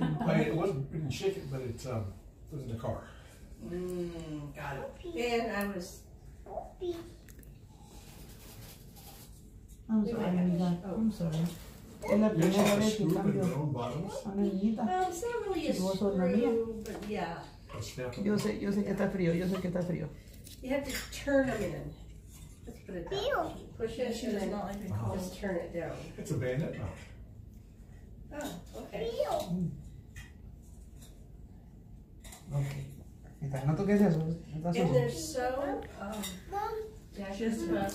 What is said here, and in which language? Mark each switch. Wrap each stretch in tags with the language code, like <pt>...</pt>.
<en>the I didn't shake it, but it was in the car. Got it. And I was I'm sorry, amiga. Oh. I'm sorry.</en> <es>Es la primera vez que cambio una niñita.</es> <en>Well, it's not really a screw, but yeah.</en> <es>Yo sé que está frío, yo sé que está frío.</es> <en>You have to turn them in. Let's put it down. Push it and then just turn it down. It's a bandit. Oh, okay.</en> <es>Mientras no toques eso, no te asustes.</es> <en>And they're so... Just about to</en>